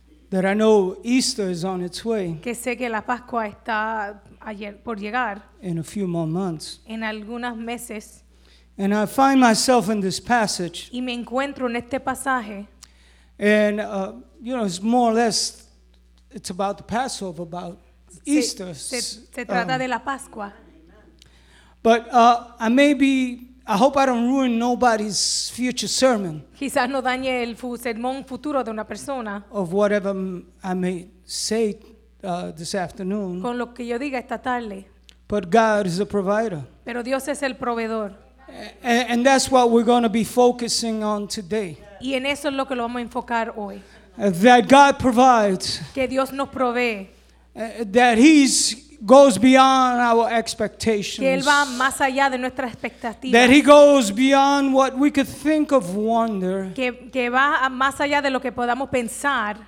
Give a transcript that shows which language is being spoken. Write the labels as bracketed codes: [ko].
[en] That I know Easter is on its way. [es] Que sé que la Pascua está ayer por llegar. [en] In a few more months. [es] En algunos meses. [en] And I find myself in this passage. [es] Y me encuentro en este pasaje. [en] And you know, it's more or less, it's about the Passover, about Easter. [es] Se trata de la Pascua. [en] But I hope I don't ruin nobody's future sermon. [es] Quizás no dañe el sermón futuro de una persona. [en] Of whatever I may say this afternoon. [es] Con lo que yo diga esta tarde. [en] But God is the provider. [es] Pero Dios es el proveedor. [en] And that's what we're going to be focusing on today. [es] Y en eso es lo que lo vamos a enfocar hoy. [en] That God provides. [es] Que Dios nos provee. [en] That He's goes beyond our expectations. [es] Que él va más allá de nuestras expectativas. [en] That he goes beyond what we could think of wonder. [es] Que va más allá de lo que podamos pensar.